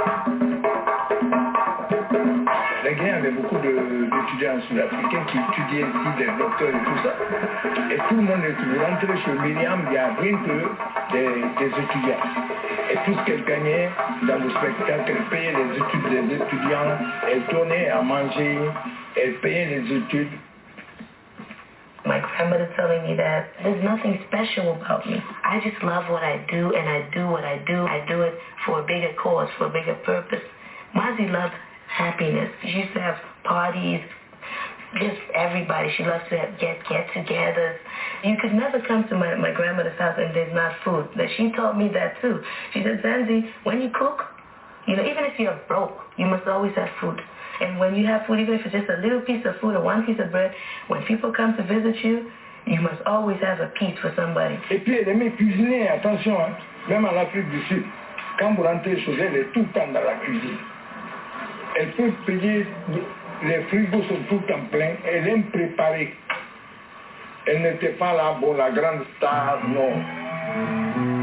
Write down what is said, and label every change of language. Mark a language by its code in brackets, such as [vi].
[fr] La guerre avait beaucoup d'étudiants sud-africains qui étudiaient ici, des docteurs et tout ça. Et tout le monde est rentré chez Miriam, il y a 20 des étudiants. Et tout ce qu'elle gagnait dans le spectacle, elle payait les études des étudiants, elle tournait à manger, elle payait les études. [en] My grandmother telling me that there's nothing special about me. I just love what I do, and I do what I do. I do it for a bigger cause, for a bigger purpose. Mazi loves happiness. She used to have parties, just everybody. She loves to have get-togethers. You could never come to my grandmother's house and there's not food. Now, she taught me that too. She said, Zanzi, when you cook, you know, even if you're broke, you must always have food. And when you have food, even if it's just a little piece of food or one piece of bread, when people come to visit you, you must always have a piece for somebody. [fr] Et puis elle aimait cuisiner, attention, hein, même à l'Afrique du Sud. Quand vous rentrez chez elle, elle est tout le temps dans la cuisine. Elle peut payer, les frigos sont tout le temps pleins, elle aime préparer. Elle n'était pas là pour la grande star, non.